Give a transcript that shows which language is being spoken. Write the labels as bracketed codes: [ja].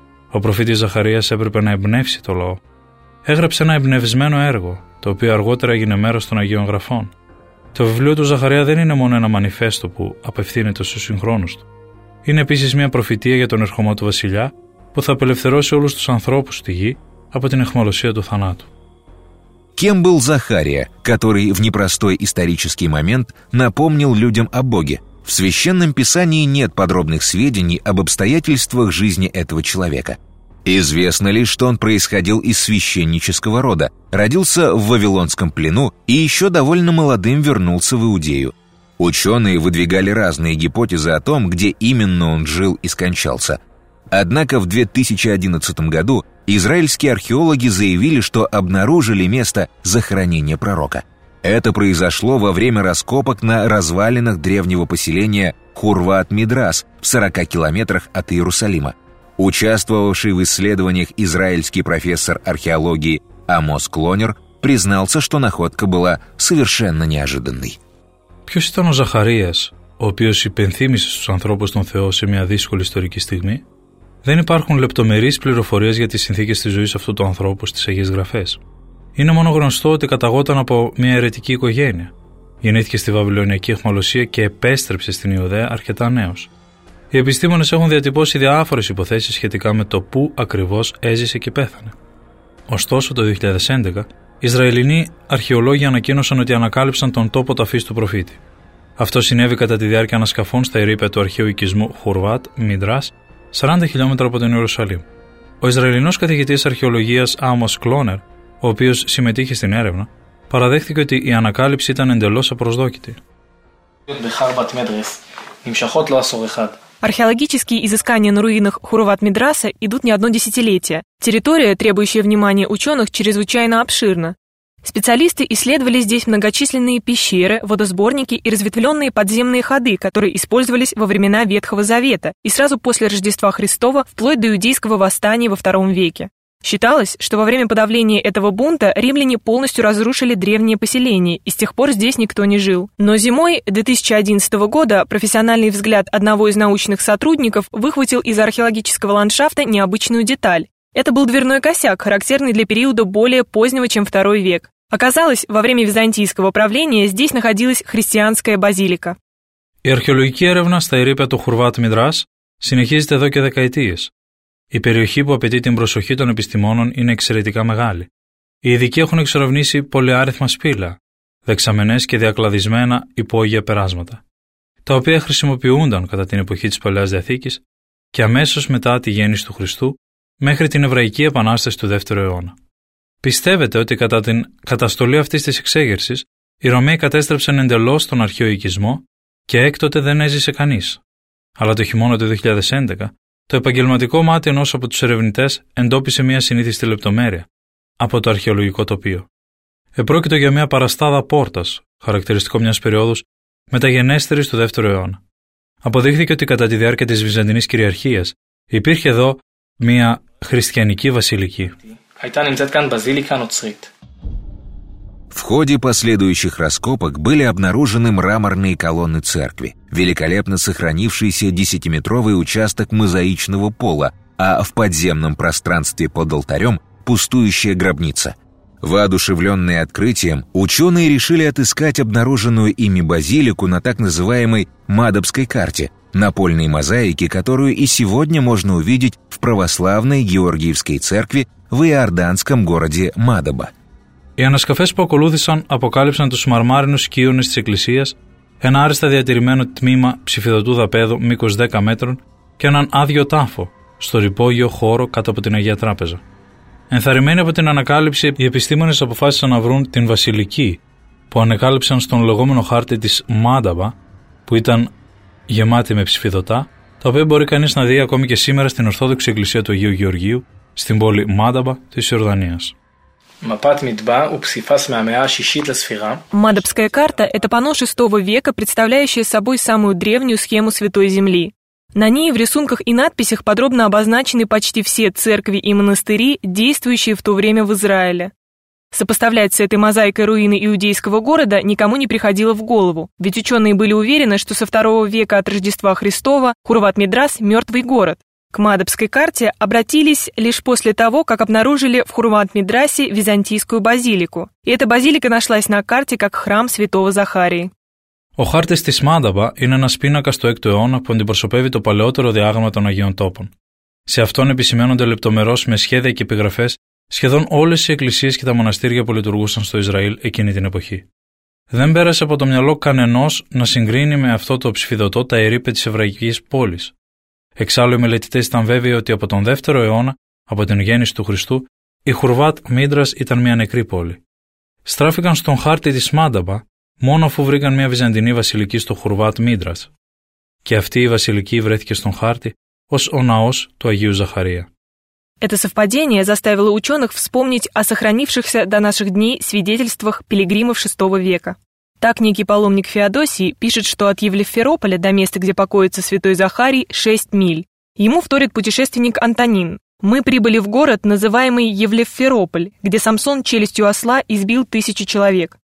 [el] Ο προφήτης Ζαχαρίας έπρεπε να εμπνεύσει το λαό. Έγραψε ένα εμπνευσμένο έργο, το οποίο αργότερα έγινε μέρος των Αγίων Γραφών. Το βιβλίο του Ζαχαρία δεν είναι μόνο ένα μανιφέστο που απευθύνεται στους συγχρόνους του. Είναι επίσης μια προφητεία για τον ερχομό του βασιλιά που θα απελευθερώσει όλους τους ανθρώπους στη γη από την αιχμαλωσία του θανάτου. [ru] Кем был Захария, который в непростой исторический момент напомнил людям о Боге? В Священном Писании нет подробных сведений об обстоятельствах жизни этого человека. Известно лишь, что он происходил из священнического рода, родился в Вавилонском плену и еще довольно молодым вернулся в Иудею. Ученые выдвигали разные гипотезы о том, где именно он жил и скончался. Однако в 2011 году израильские археологи заявили, что обнаружили место захоронения пророка. Это произошло во время раскопок на развалинах древнего поселения Хурват-Мидрас в 40 километрах от Иерусалима. Участвовавший в исследованиях израильский профессор археологии Амос Клонер признался, что находка была совершенно неожиданной. [el] Ποιος ήταν ο Ζαχαρίας, ο οποίος υπενθύμησε στους ανθρώπους τον Θεό σε μια δύσκολη ιστορική στιγμή? Δεν υπάρχουν λεπτομερείς πληροφορίες για τις συνθήκες της ζωής αυτού του ανθρώπου στις Αγίες Γραφές. Είναι μόνο γνωστό ότι καταγόταν από μια αιρετική οικογένεια. Γεννήθηκε στη Βαβυλωνιακή Αιχμαλωσία και επέστρεψε στην Ιουδαία αρκετά νέος. Οι επιστήμονες έχουν διατυπώσει διάφορες υποθέσεις σχετικά με το πού ακριβώς έζησε και πέθανε. Ωστόσο, το 2011, Ισραηλινοί αρχαιολόγοι ανακοίνωσαν ότι ανακάλυψαν τον τόπο ταφής του προφήτη. Αυτό συνέβη κατά τη διάρκεια ανασκαφών στα ερείπια του αρχαίου οικισμού Χουρβάτ, Μιντράς, 40 χιλιόμετρα από τον Ιερουσαλήμ. Ο Ισραηλινός καθηγητής αρχαιολογίας Άμος Κλόνερ, ο οποίος συμμετείχε στην έρευνα, παραδέχθηκε ότι η ανακάλυψη ήταν εντελώς απροσδόκητη. [ru] Археологические изыскания на руинах Хурват-Мидраса идут не одно десятилетие. Территория, требующая внимания ученых, чрезвычайно обширна. Специалисты исследовали здесь многочисленные пещеры, водосборники и разветвленные подземные ходы, которые использовались во времена Ветхого Завета и сразу после Рождества Христова вплоть до иудейского восстания во II веке. Считалось, что во время подавления этого бунта римляне полностью разрушили древние поселения, и с тех пор здесь никто не жил. Но зимой 2011 года профессиональный взгляд одного из научных сотрудников выхватил из археологического ландшафта необычную деталь. Это был дверной косяк, характерный для периода более позднего, чем II век. Оказалось, во время византийского правления здесь находилась христианская базилика. И археологические [el] эревна στα ερείπια του Χουρβάτ-Μιντράς συνεχίζεται εδώ και δεκαετίες. Η περιοχή που απαιτεί την προσοχή των επιστημόνων είναι εξαιρετικά μεγάλη. Οι ειδικοί έχουν εξερευνήσει πολυάριθμα σπήλαια, δεξαμενές και διακλαδισμένα υπόγεια περάσματα, τα οποία χρησιμοποιούνταν κατά την εποχή της Παλαιάς Διαθήκης και αμέσως μετά τη γέννηση του Χριστού μέχρι την Εβραϊκή Επανάσταση του 2ου αιώνα. Πιστεύεται ότι κατά την καταστολή αυτής της εξέγερσης, οι Ρωμαίοι κατέστρεψαν εντελώς τον αρχαίο οικισμό και έκτοτε δεν έζησε κανείς. Αλλά το χειμώνα του 2011, το επαγγελματικό μάτι ενός από τους ερευνητές εντόπισε μια συνήθιστη λεπτομέρεια από το αρχαιολογικό τοπίο. Επρόκειτο για μια παραστάδα πόρτας, χαρακτηριστικό μιας περίοδους μεταγενέστερης του 2ου αιώνα. Αποδείχθηκε ότι κατά τη διάρκεια της Βυζαντινής κυριαρχίας υπήρχε εδώ μια χριστιανική βασιλική. [ru] В ходе последующих раскопок были обнаружены мраморные колонны церкви, великолепно сохранившийся 10-метровый участок мозаичного пола, а в подземном пространстве под алтарем – пустующая гробница. Воодушевленные открытием, ученые решили отыскать обнаруженную ими базилику на так называемой «Мадобской карте» – напольной мозаике, которую и сегодня можно увидеть в православной Георгиевской церкви в иорданском городе Мадоба. [el] Οι ανασκαφές που ακολούθησαν αποκάλυψαν τους μαρμάρινους κείονες της εκκλησίας, ένα άριστα διατηρημένο τμήμα ψηφιδωτού δαπέδου μήκος 10 μέτρων και έναν άδειο τάφο στο υπόγειο χώρο κάτω από την Αγία Τράπεζα. Ενθαρρυμένοι από την ανακάλυψη, οι επιστήμονες αποφάσισαν να βρουν την βασιλική που ανακάλυψαν στον λεγόμενο χάρτη της Μάνταβα, που ήταν γεμάτη με ψηφιδωτά, τα οποία μπορεί κανείς να δει ακόμη και σήμερα στην Ορθόδοξη Εκκλησία του Αγίου Γεωργίου, στην πόλη Μάνταβα της Ιορδανίας. [ru] Мадобская карта – это панно VI века, представляющая собой самую древнюю схему Святой Земли. На ней в рисунках и надписях подробно обозначены почти все церкви и монастыри, действующие в то время в Израиле. Сопоставлять с этой мозаикой руины иудейского города никому не приходило в голову, ведь ученые были уверены, что со II века от Рождества Христова Хурват-Мидрас – мертвый город. К Мадобской карте обратились лишь после того, как обнаружили в Хурват-Мидрасе византийскую базилику. И эта базилика нашлась на карте как храм святого Захарии. [el] Ο χάρτης της Μάνταβα είναι ένας πίνακας του 6ου αιώνα που αντιπροσωπεύει το παλαιότερο διάγραμμα των Αγίων Τόπων. Σε αυτόν επισημαίνονται λεπτομερώς με σχέδια και επιγραφές σχεδόν όλες οι εκκλησίες και τα μοναστήρια που λειτουργούσαν στο Ισραήλ εκείνη την εποχή. Δεν πέρασε από το μυαλό κανενός να συγκρίνει με αυτό το ψηφιδωτό τα ερείπια της εβραϊκής πόλης. Εξάλλου, οι μελετητές ήταν βέβαιοι ότι από τον 2ο αιώνα, από την γέννηση του Χριστού, η Χουρβάτ Μίντρας ήταν μια νεκρή πόλη. Στράφηκαν στον χάρτη της Μάνταβα μόνο αφού βρήκαν μια βυζαντινή βασιλική στο Χουρβάτ Μίντρας. Και αυτή η βασιλική βρέθηκε στον χάρτη ως ο ναός του Αγίου Ζαχαρία. [ru] Это совпадение заставило ученых вспомнить о сохранившихся до наших дней свидетельствах пилигримов VI века. Так некий паломник Феодосий пишет, что от Евлефферополя до места, где покоится святой Захарий, 6 миль. Ему вторит путешественник Антонин. «Мы прибыли в город, называемый Евлефферополь, где Самсон челюстью осла избил 1000 человек.